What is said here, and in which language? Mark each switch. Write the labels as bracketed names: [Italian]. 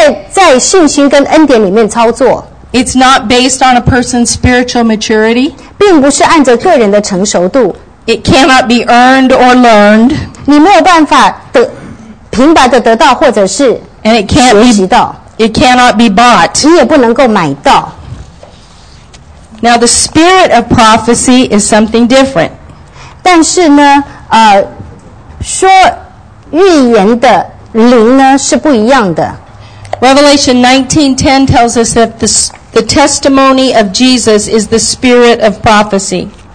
[Chinese] 在信心跟恩典里面操作。 [English] It's not based on a person's spiritual maturity. [Chinese] 并不是按着个人的成熟度。 [English] It cannot be earned or learned. [Chinese] 你没有办法得平白的得到或者是学习到。 [English] It cannot be bought. [Chinese] 你也不能够买到。 [English] Now the spirit of prophecy is something different. [Chinese] 但是呢，说预言的。灵呢是不一样的。 [English] Revelation 19:10 tells us that the testimony of Jesus is the spirit of prophecy.